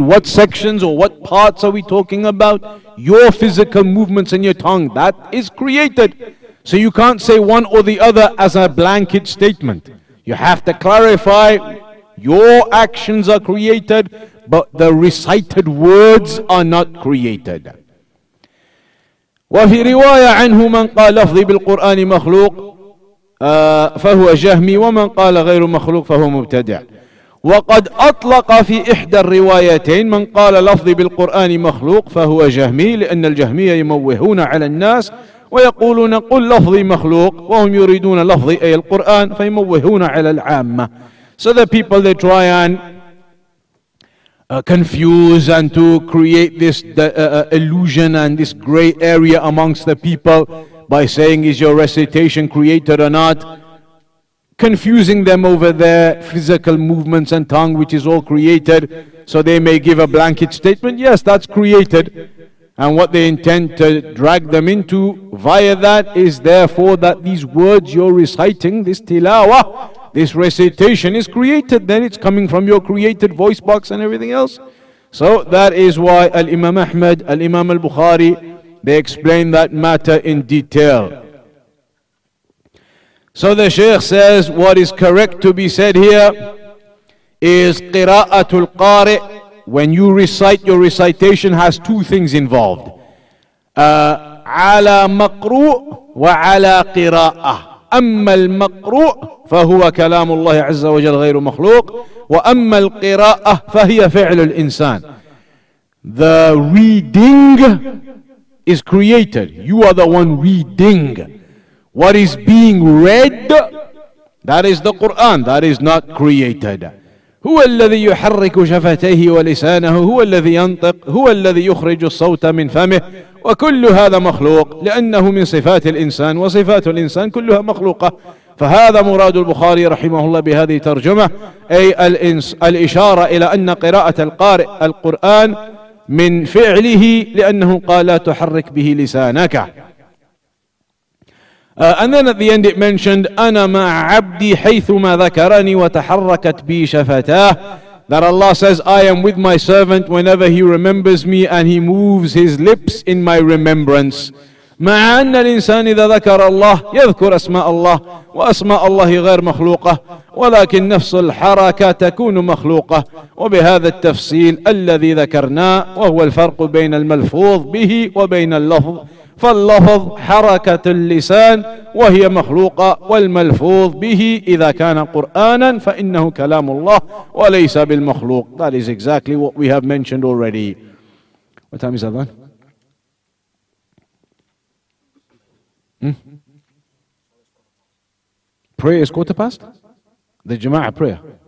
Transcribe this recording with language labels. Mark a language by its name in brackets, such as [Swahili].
[English] What sections or what parts are we talking about? Your physical movements and your tongue, that is created. So you can't say one or the other as a blanket statement. You have to clarify, your actions are created, but the recited words are not created. [Arabic] وفي رواية عنه من قال لفظي بالقرآن مخلوق فهو جهمي ومن قال غير مخلوق فهو مبتدع وقد أطلق في إحدى الروايتين من قال لفظي بالقرآن مخلوق فهو جهمي لأن الجهمية يموهون على الناس ويقولون قل لفظي مخلوق وهم يريدون لفظي أي القرآن فيموهون على العامة. [English] So the people, they try and confuse and to create this illusion and this gray area amongst the people by saying, is your recitation created or not? Confusing them over their physical movements and tongue, which is all created. So they may give a blanket statement, yes, that's created. And what they intend to drag them into via that is therefore that these words you're reciting, this tilawah, this recitation is created, then it's coming from your created voice box and everything else. So that is why Al-Imam Ahmad, Al-Imam Al-Bukhari, they explain that matter in detail. So the Shaykh says, what is correct to be said here is qira'atul qari', when you recite, your recitation has two things involved. [Arabic] Ala maqru' wa ala qira'ah. أما المقروء فهو كلام الله عز وجل غير مخلوق وأما القراءة فهي فعل الإنسان. [English] The reading is created. You are the one reading. What is being read? That is the Quran. That is not created. [Arabic] هو الذي يحرك شفتيه ولسانه هو الذي ينطق هو الذي يخرج الصوت من فمه وكل هذا مخلوق لأنه من صفات الإنسان وصفات الإنسان كلها مخلوقة. فهذا مراد البخاري رحمه الله بهذه ترجمة, أي الإشارة إلى أن قراءة القارئ القرآن من فعله لأنه قال تحرك به لسانك. [English] And then at the end it mentioned, [Arabic] أنا مع عبدي حيثما ذكرني وتحركت بي شفتاه. [English] That Allah says, I am with my servant whenever he remembers me and he moves his lips in my remembrance. [Arabic] مع أن الإنسان إذا ذكر الله يذكر أسماء الله وأسماء الله غير مخلوقة ولكن نفس الحركة تكون مخلوقة وبهذا التفصيل الذي ذكرنا وهو الفرق بين الملفوظ به وبين اللفظ فاللفظ حركة اللسان وهي مخلوقة والملفوظ به إذا كان قرآنا فإنه كلام الله وليس بالمخلوق. [English] That is exactly what we have mentioned already. What time is that then? Prayer is quarter past? The Jama'ah prayer.